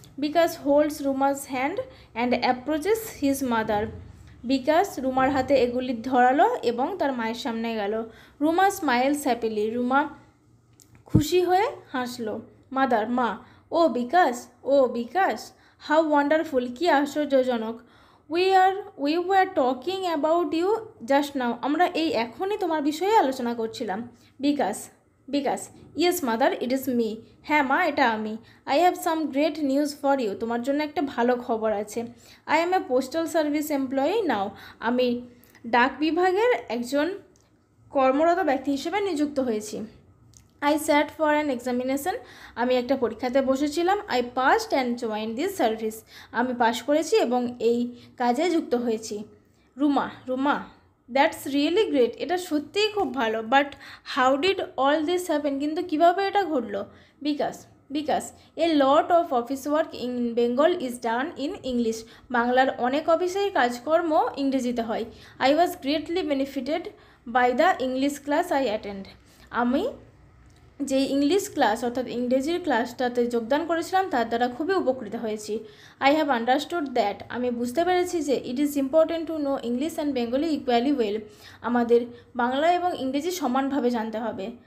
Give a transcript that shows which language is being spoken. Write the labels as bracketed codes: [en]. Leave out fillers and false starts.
[en] Bikash holds Ruma's hand and approaches his mother. [bn] বিকাশ রুমার হাতে এগুলি ধরালো এবং তার মায়ের সামনে গেল। রুমা [en] smiles happily, [bn] রুমা খুশি হয়ে হাসলো। [en] mother, [bn] মা, ও বিকাশ, ও বিকাশ, [en] how wonderful, [bn] কী আশ্চর্যজনক, [en] We were talking about you just now. [bn] আমরা এই এখনই তোমার বিষয়ে আলোচনা করছিলাম. [en] Because. Yes, mother, it is me. [bn] হ্যাঁ মা, এটা আমি. [en] I have some great news for you. [bn] তোমার জন্য একটা ভালো খবর আছে. [en] I am a postal service employee now. [bn] আমি ডাক বিভাগের একজন কর্মরত ব্যক্তি হিসেবে নিযুক্ত হয়েছি. [en] I sat for an examination. [bn] আমি একটা পরীক্ষাতে বসেছিলাম. [en] I passed and joined this service. [bn] আমি পাস করেছি এবং এই কাজে যুক্ত হয়েছি. [en] Ruma, that's really great. [bn] এটা সত্যিই খুব ভালো. [en] But how did all this happen? [bn] কিন্তু কীভাবে এটা ঘটলো? [en] Because a lot of office work in Bengal is done in English. [bn] বাংলার অনেক অফিসের কাজকর্ম ইংরেজিতে হয়। [en] I was greatly benefited by the English class I attend. [bn] আমি যে ইংলিশ ক্লাস অর্থাৎ ইংরেজির ক্লাসটাতে যোগদান করেছিলাম তার দ্বারা খুবই উপকৃত হয়েছি। [en] I have understood that [bn] আমি বুঝতে পেরেছি যে [en] it is important to know English and Bengali equally well [bn] আমাদের বাংলা এবং ইংরেজি সমানভাবে জানতে হবে।